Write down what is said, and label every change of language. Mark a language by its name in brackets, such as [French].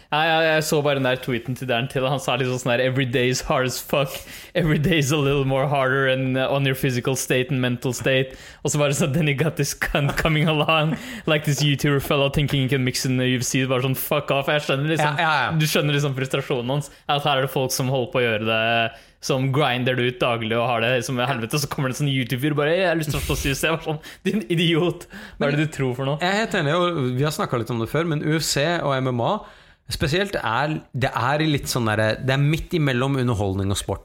[Norwegian] Jeg så bare den der tweeten til Darren Till. Han sa litt sånn der, [English] every day is hard as fuck, every day is a little more harder and on your physical state and mental state. [Norwegian] Og så bare sånn, [English] then he got this cunt coming along like this YouTuber fellow thinking he can mix in the UFC. [Norwegian] Bare sånn, fuck off. Jeg skjønner liksom, du skjønner liksom frustrasjonen hans. At her er det folk som holder på å gjøre det, som grinder det ut daglig og har det som i helvete. Så kommer det en sånn YouTuber og bare, jeg har lyst til å si UFC. Jeg var sånn, din idiot, hva er det du tror for noe? Jeg er helt enig, og vi har snakket litt om det før, men UFC og MMA spesielt det er litt sånn der, det er midt imellom underholdning og sport.